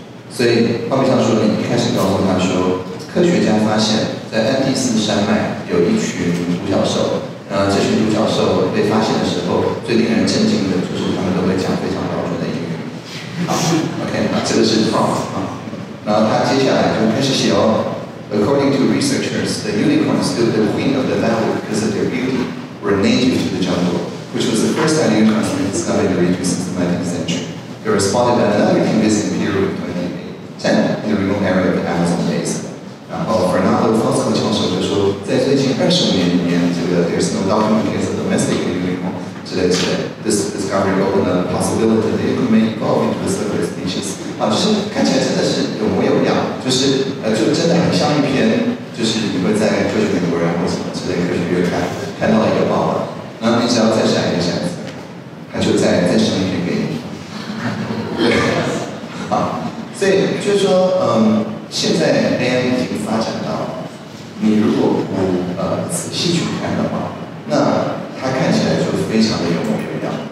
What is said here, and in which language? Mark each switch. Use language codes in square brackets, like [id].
[zh] 所以画面上说，你一开始告诉他说，科学家发现，在安第斯山脉有一群独角兽，这群独角兽被发现的时候，最令人震惊的就是他们都会讲非常标准的英语。好 ，OK， 那这个是 prompt 啊，然后他接下来就开始写哦。 [en] According to researchers, the unicorns still the queen of the valley because of their beauty were native to the jungle, which was the first time unicorns were discovered in the region since the 19th century. They were spotted by another Indus in Peru in 2010 in the remote area of the Amazon Basin. [zh] 然后 Fernando Fosco 教授就说，在最近二十年里面，这个 [en] there's no documented domestic unicorn [zh] 之类之类。 [en] This discovery opened the possibility that they could make evolve into a separate species. [zh] 就是看起来真的是有模有样，就是就真的很像一篇，就是你会在科学美国人或什么之类科学月刊看到了一个报道，那你只要再闪一个闪子，他就再生一篇给你。好，所以就是说，现在 AI 已经发展到，你如果不仔细去看的话，那它看起来就非常的有模有样。